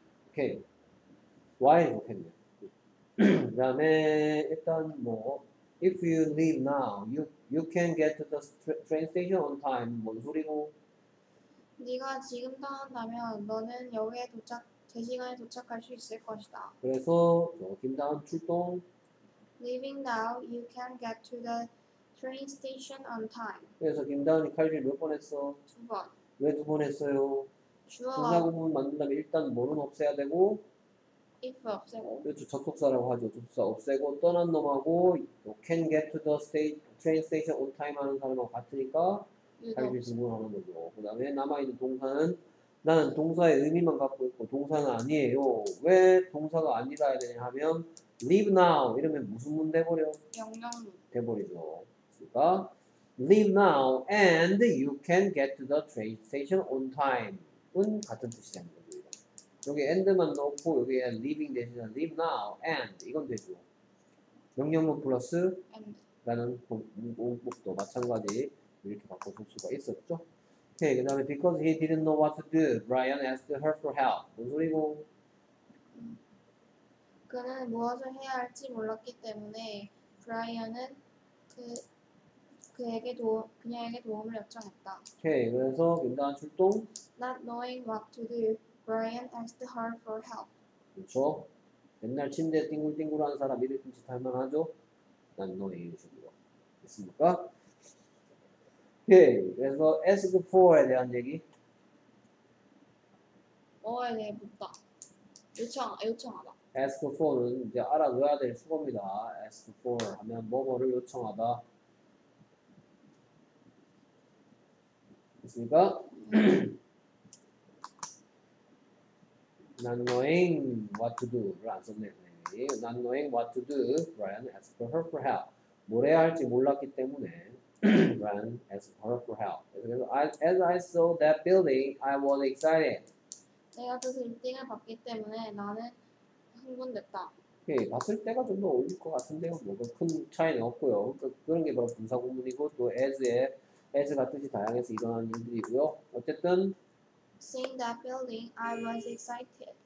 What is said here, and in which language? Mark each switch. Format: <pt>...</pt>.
<en>Okay. Why 좋겠네요. 그 다음에 일단 뭐 If you leave now, you can get to the train station on time. 뭔 소리고?</en> <ko>네가 지금 떠난다면 너는 여기에 도착 제시간에 도착할 수 있을 것이다. 그래서 지금 다음 출동.</ko> <en>Leaving now, you can get to the train station on time.</en> <ko>그래서 김다은이 칼질 몇 번 했어? 두 번. 왜 두 번 했어요? 부사구문 만든다면 일단 뭐는 없애야 되고 if 없애고 그렇죠. 접속사라고 하죠. 접속사 없애고 떠난 놈하고 can get to the train station on time 하는 사람하고 같으니까 칼질 두 번 하는 거죠. 그 다음에 남아있는 동사는 나는 동사의 의미만 갖고 있고 동사는 아니에요. 왜 동사가 아니라야 되냐 하면 leave now 이러면 무슨 문 돼버려? 영영문 돼버리죠. 그러니까 leave now and you can get to the train station on time 은 같은 뜻이 되는 겁니다. 여기 and만 넣고 여기에 leaving 대신에 leave now and 이건 되죠. 영영문 플러스 and라는 목도 마찬가지 이렇게 바꿔 쓸 수가 있었죠. 오케이.</ko> <en>그 다음에 because he didn't know what to do, Brian asked her for help.</en> <ko>뭔 소리고? 그는 무엇을 해야 할지 몰랐기 때문에 브라이언은 그녀에게 도움을 요청했다. 오케이. 그래서 김다한 출동.</ko> <en>Not knowing what to do, Brian asked her for help.</en> <ko>그렇죠. 맨날 침대 띵굴띵굴한 사람 이럴 듯이 탈만하죠.</ko> <en>Not knowing what to do. 됐습니까? 오케이.</en> <ko>그래서 ask for에 대한 얘기. 뭐에 대해 묻다. 요청하다. Ask for는 이제 알아둬야 될 수법입니다. Ask for 하면 뭐뭐를 요청하다. 됐습니까? Not knowing what to do 를 안 썼네요.</ko> <en>Not knowing what to do, Brian asked her for help. 뭘 해야 할지 몰랐기 때문에 Brian asked her for help. As I saw that building, I was excited.</en> <ko>내가 그 빌딩을 봤기 때문에 나는 네, 봤을 때가 좀 더 어울릴 것 같은데요. 뭐 큰 차이는 없고요. 그런 게 바로 분사구문이고 또 as가 뜻이 다양해서 일어난 일들이고요. 어쨌든</ko> <en>seeing that building, I was excited.</en>